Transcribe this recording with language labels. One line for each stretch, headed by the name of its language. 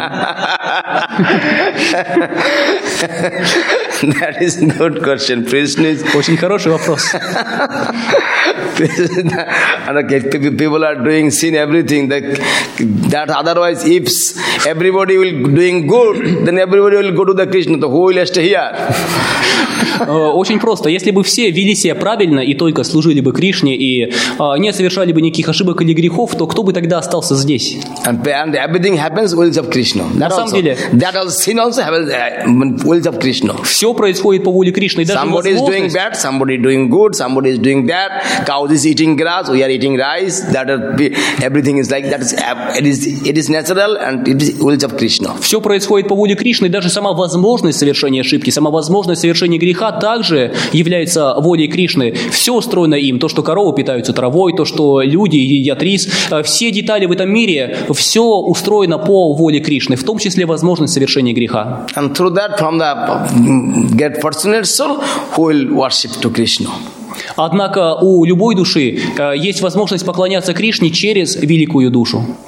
English: That is a good question. Krishna is...
Russian: Очень хороший вопрос.
English: And okay, people are doing sin, everything. That otherwise, if everybody will doing good, then everybody will go to the Krishna. So who will stay here?
Russian: Очень просто. Если бы все вели себя правильно и только служили бы Кришне и не совершали бы никаких ошибок или грехов, то кто бы тогда остался здесь?
English: And everything happens will of Krishna.
Russian: На самом деле.
English: That all sin also happens will of Krishna.
Russian: Все происходит по воле Кришны.
English: Somebody is doing bad, somebody doing good, somebody is doing bad. Cow is eating grass, we are eating rice. That everything is like that. It is natural and it is will of Krishna.
Russian: Все происходит по воле Кришны. Даже сама возможность совершения ошибки, сама возможность совершения греха также является волей Кришны. Все устроено им. То, что коровы питаются травой, то, что люди едят рис. Все детали в этом мире, все устроено по воле Кришны, в том числе возможность совершения греха.
English: And through that, from the get fortunate soul, who will worship to Krishna.
Russian: Однако у любой души есть возможность поклоняться Кришне через великую душу.